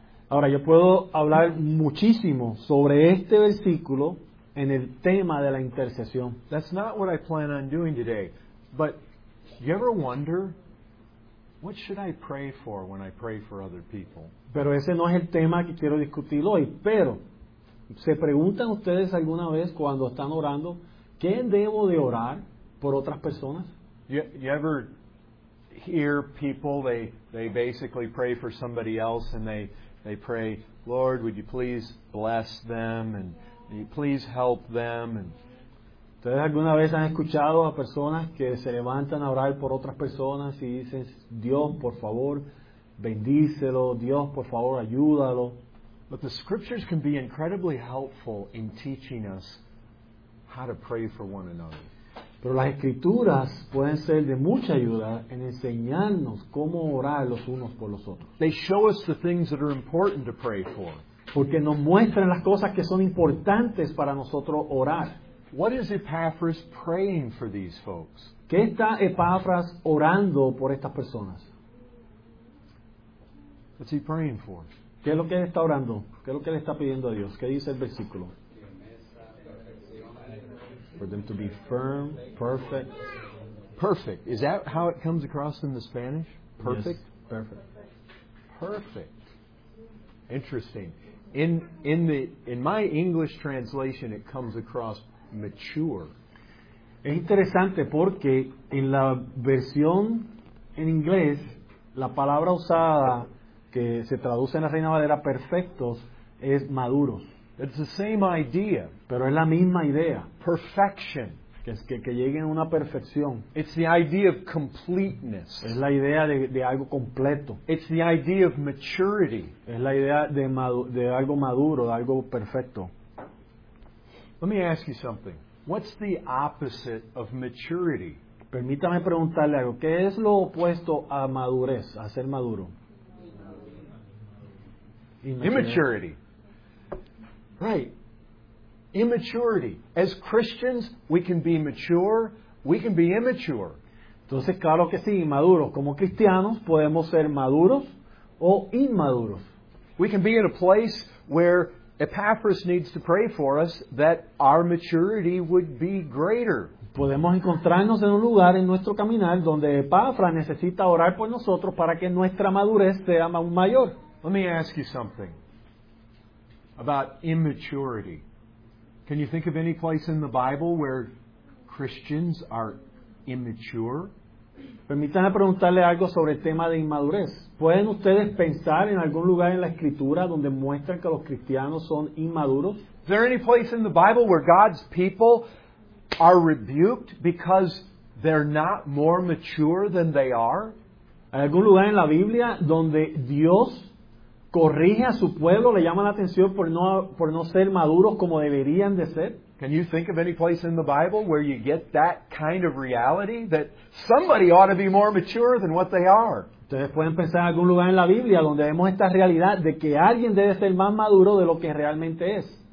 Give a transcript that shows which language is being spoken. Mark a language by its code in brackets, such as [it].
[es] Ahora, yo puedo hablar muchísimo sobre este versículo en el tema de la intercesión. [en] That's not what I plan on doing today. But you ever wonder, what should I pray for when I pray for other people? [es] Pero ese no es el tema que quiero discutir hoy. Pero, ¿se preguntan ustedes alguna vez cuando están orando, qué debo de orar por otras personas? [en] You ever hear people, they basically pray for somebody else and they pray, Lord, would you please bless them and would you please help them? [es] ¿Ustedes alguna vez han escuchado a personas que se levantan a orar por otras personas y dicen, Dios, por favor, bendícelo, Dios, por favor, ayúdalo? [en] But the scriptures can be incredibly helpful in teaching us how to pray for one another. [es] Pero las escrituras pueden ser de mucha ayuda en enseñarnos cómo orar los unos por los otros. [en] They show us the things that are important to pray for. [es] Porque nos muestran las cosas que son importantes para nosotros orar. [en] What is Epaphras praying for these folks? [es] ¿Qué está Epaphras orando por estas personas? [en] What's he praying for? [es] ¿Qué es lo que él está orando? ¿Qué es lo que él está pidiendo a Dios? ¿Qué dice el versículo? [en] For them to be firm, perfect. Perfect. Is that how it comes across in the Spanish? Perfect? Yes. Perfect. Perfect. Interesting. In my English translation, it comes across mature. [es] Es interesante porque en la versión en inglés, la palabra usada que se traduce en la Reina Valera, perfectos, es maduros. [en] It's the same idea. [es] Pero es la misma idea. [en] Perfection. [es] que lleguen a una perfección. [en] It's the idea of completeness. [es] Es la idea de algo completo. [en] It's the idea of maturity. [es] Es la idea de algo maduro, de algo perfecto. [en] Let me ask you something. What's the opposite of maturity? [es] Permítame preguntarle algo. ¿Qué es lo opuesto a madurez, a ser maduro? [en] Immaturity. Right. Immaturity. As Christians, we can be mature, we can be immature. [es] Entonces, claro que sí, maduros. Como cristianos, podemos ser maduros o inmaduros. [en] We can be in a place where Epaphras needs to pray for us that our maturity would be greater. [es] Podemos encontrarnos en un lugar en nuestro caminar donde Epaphras necesita orar por nosotros para que nuestra madurez sea mayor. [en] Let me ask you something about immaturity. Can you think of any place in the Bible where Christians are immature? [es] Permítanme preguntarle algo sobre el tema de inmadurez. ¿Pueden ustedes pensar en algún lugar en la Escritura donde muestran que los cristianos son inmaduros? [en] Is there any place in the Bible where God's people are rebuked because they're not more mature than they are? [es] ¿Hay algún lugar en la Biblia donde Dios corrige a su pueblo, le llama la atención por no ser maduros como deberían de ser? [en] Can you think of any place in the Bible where you get that kind of reality that somebody ought to be more mature than what they are? [es] ¿Ustedes pueden pensar en algún lugar en la Biblia donde vemos esta realidad de que alguien debe ser más maduro de lo que realmente es?